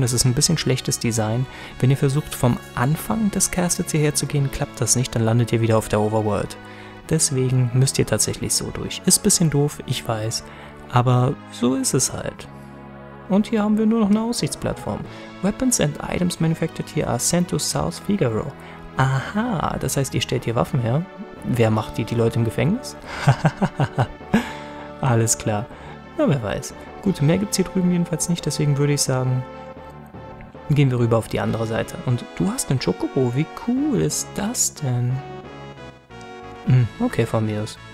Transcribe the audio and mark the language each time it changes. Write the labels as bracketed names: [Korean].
[German] Das ist ein bisschen schlechtes Design. Wenn ihr versucht, vom Anfang des Castles hierher zu gehen, klappt das nicht, dann landet ihr wieder auf der Overworld. Deswegen müsst ihr tatsächlich so durch. Ist ein bisschen doof, ich weiß, aber so ist es halt. Und hier haben wir nur noch eine Aussichtsplattform. [English] Weapons and items manufactured here are sent to South Figaro. [German] Aha, das heißt, ihr stellt hier Waffen her. Wer macht die Leute im Gefängnis? Alles klar. Na, wer weiß. Gut, mehr gibt es hier drüben jedenfalls nicht, deswegen würde ich sagen, gehen wir rüber auf die andere Seite. Und du hast einen Chocobo, wie cool ist das denn? Okay, von mir aus.